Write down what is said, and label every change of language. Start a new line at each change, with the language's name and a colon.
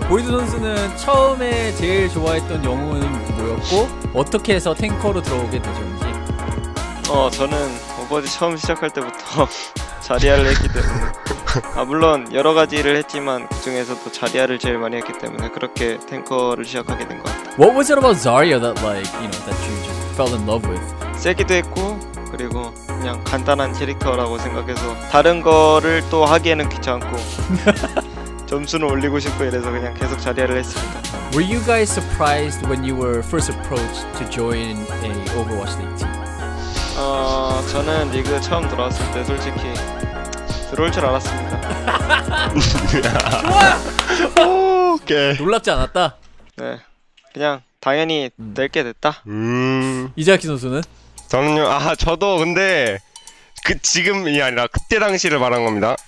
Korean: 보이드 선수는 처음에 제일 좋아했던 영웅은 뭐였고 어떻게 해서 탱커로 들어오게 되셨는지? 저는 오버워치 처음 시작할 때부터 자리아를 했기 때문에 물론 여러 가지를 했지만 그 중에서도 자리아를 제일 많이 했기 때문에 그렇게 탱커를 시작하게 된 것 같아요.
English: What was it about Zarya that like, you know, that you just fell in love with?
Korean: 세기도 했고 그리고 그냥 간단한 캐릭터라고 생각해서 다른 거를 또 하기에는 귀찮고 점수는 올리고 싶고 이래서 그냥 계속 자리아를 했습니다.
English: Were you guys surprised when you were first approached to join a Overwatch League team?
Korean: 저는 리그 처음 들어왔을 때 솔직히 들어올 줄 알았습니다. 좋아! 놀랍지 않았다? 네. 그냥 당연히 될 게 됐다. 이자키 선수는? 저는요? 저도 근데 그 지금이 아니라 그때 당시를 말한 겁니다.